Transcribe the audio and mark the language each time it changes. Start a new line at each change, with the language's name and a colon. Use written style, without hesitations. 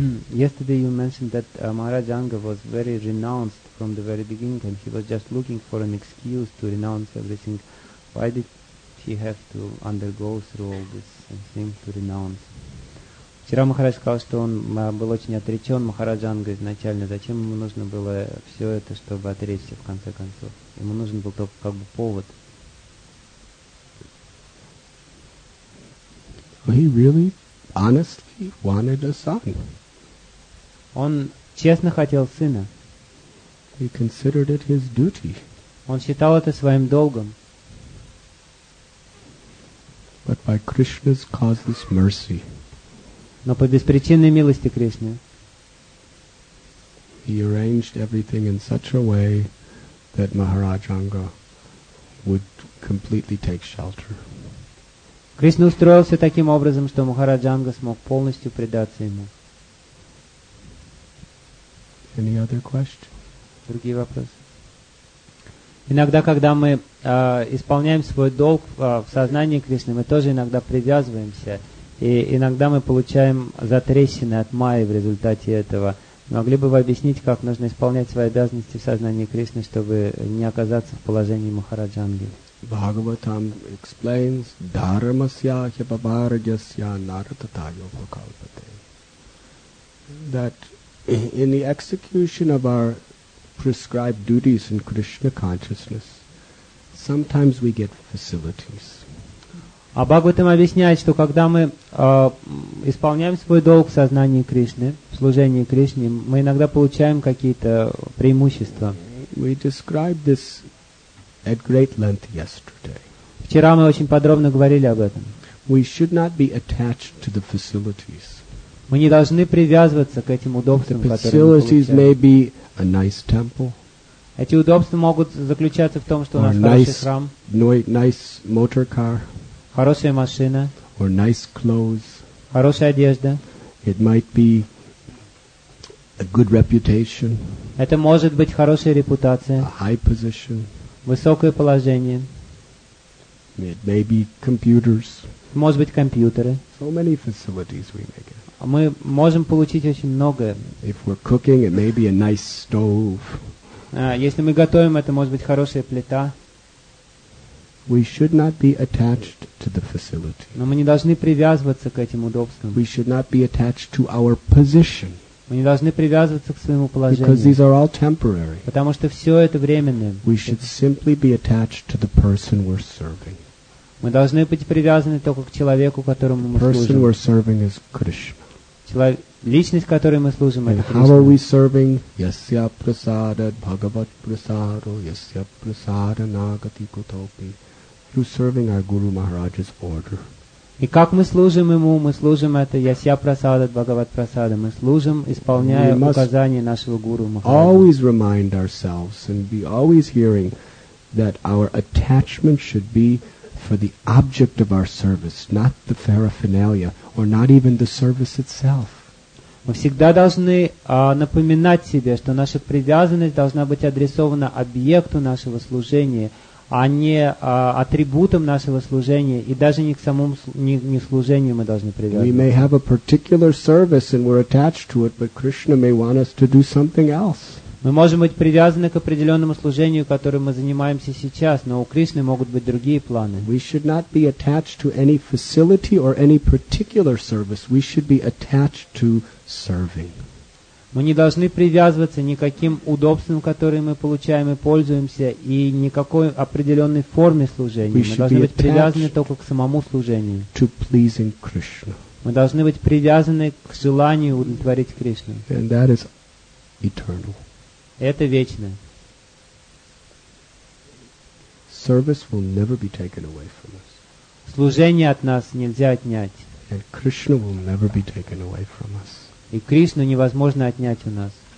English: Yesterday you mentioned that Maharaj Anga was very renounced from the very beginning, and he was just looking for an excuse to renounce everything. Why did he have to undergo through all this and think to renounce?
Russian: Вчера Махарадж сказал, что он был очень отречен Махараджанга изначально. Зачем ему нужно было все это, чтобы отречься в конце концов? Ему нужен был только как бы повод.
English: He really honestly wanted a son.
Russian: Он честно хотел сына.
English: He considered it his duty.
Russian: Он считал это своим долгом.
English: But by Krishna's causeless mercy.
Russian: Но по беспричинной милости Кришны.
English: He arranged everything in such a way that Maharaj Anga would completely take shelter.
Russian: Кришна устроил все таким образом, что Махарадж Анга смог полностью предаться ему.
English: Any other question?
Russian: Другие вопросы. Иногда, когда мы исполняем свой долг в сознании Кришны, мы тоже иногда привязываемся. И иногда мы получаем затрещины от Майи в результате этого. Могли бы вы объяснить, как нужно исполнять свои обязанности в сознании Кришны, чтобы не оказаться в положении Махараджанги?
Sanskrit: Бхагаватам
English: explains,
Sanskrit: дхармасья хипабарджасья нарататайо бхакалпате.
English: That in the execution of our prescribed duties in Krishna consciousness, sometimes we get facilities.
Russian: А Бхагаватам объясняет, что когда мы исполняем свой долг в сознании Кришны, в служении Кришне, мы иногда получаем какие-то преимущества.
English: We described this at great length yesterday.
Russian: Вчера мы очень подробно говорили об этом.
English: We should not be attached to the facilities.
Russian: Мы не должны привязываться к этим удобствам, которые мы получаем.
English: The facilities may be a nice temple.
Russian: Эти удобства могут заключаться в том, что у нас хороший храм.
English: Nice motor car.
Russian: Хорошая машина.
English: Or nice clothes.
Russian: Хорошая одежда.
English: It might be a good reputation.
Russian: Это может быть хорошая репутация.
English: A high position.
Russian: Высокое положение.
English: It may be computers.
Russian: Может быть компьютеры.
English: So many facilities we may get.
Russian: Мы можем получить очень многое.
English: If we're cooking, it may be a nice stove.
Russian: Если мы готовим, это может быть хорошая плита.
English: We should not be attached to the facility.
Russian: Но мы не должны привязываться к этим удобствам.
English: We should not be attached to our position.
Russian: Мы не должны привязываться к своему положению.
English: Because these are all temporary.
Russian: Потому что все это временное.
English: We should simply be attached to the person we're serving.
Russian: Мы должны быть привязаны только к человеку, которому мы служим.
English: Person we're serving is Krishna.
Russian: Личность, которой мы служим, это Кришна.
English: How are we serving?
Sanskrit: Yasya prasada bhagavat prasado, yasya prasada nagati kutopi.
English: You're serving our Guru Maharaj's order.
Russian: И как мы служим ему? Мы служим это
Sanskrit: yasya prasada bhagavat prasada.
Russian: Мы служим, исполняя указания нашего Гуру Махараджа.
English: Always remind ourselves and be always hearing that our attachment should be for the object of our service, not the paraphernalia, or not even the service itself.
Russian: Мы всегда должны напоминать себе, что наша привязанность должна быть адресована объекту нашего служения, а не атрибутам нашего служения, и даже не к самому не служению мы должны привязываться.
English: We may have a particular service and we're attached to it, but Krishna may want us to do something else.
Russian: Мы можем быть привязаны к определенному служению, которым мы занимаемся сейчас, но у Кришны могут быть другие планы.
English: We should not be attached to any facility or any particular service. We should be attached to serving.
Russian: Мы не должны привязываться ни к каким удобствам, которые мы получаем и пользуемся, и никакой определенной форме служения.
English: We
Russian: мы должны быть привязаны только к самому служению.
English: To pleasing Krishna.
Russian: Мы должны быть привязаны к желанию удовлетворить Кришну.
English: And that is eternal.
Russian: Это вечное.
English: Service will never be taken away from us.
Russian: Служение от нас нельзя отнять.
English: And Krishna will never be taken away from us.
Russian: И Кришну невозможно отнять у нас.